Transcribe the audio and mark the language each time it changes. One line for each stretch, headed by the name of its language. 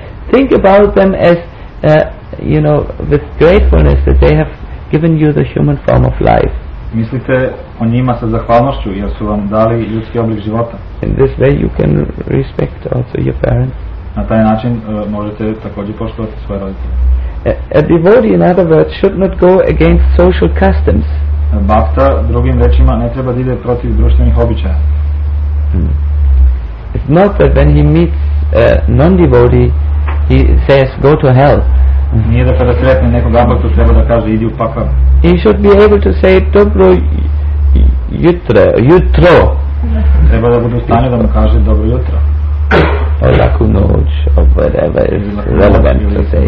English: Think about them as you know, with gratefulness that they have given you the human form of life.
Serbian: Mislite o njima sa zahvalnošću jer su vam dali ljudski oblik života.
English: In this way you can respect also your parents.
Serbian: Na taj način možete također poštovati svoje roditelje.
English: A devotee, in other words, should not go against social customs.
Serbian: Bhakta, drugim rečima, ne treba da ide protiv društvenih običaja.
English: It's not that when he meets a non-devotee, he says, go to hell.
Serbian: Nije da kada sretne nekog abaktu treba da kaže idi u pakao.
English: He should be able to say
Serbian: dobro jutro. Jutro. Treba da bude u stanju da mu kaže dobro jutro.
English: Or
Serbian: laku noć,
English: or whatever is relevant to say.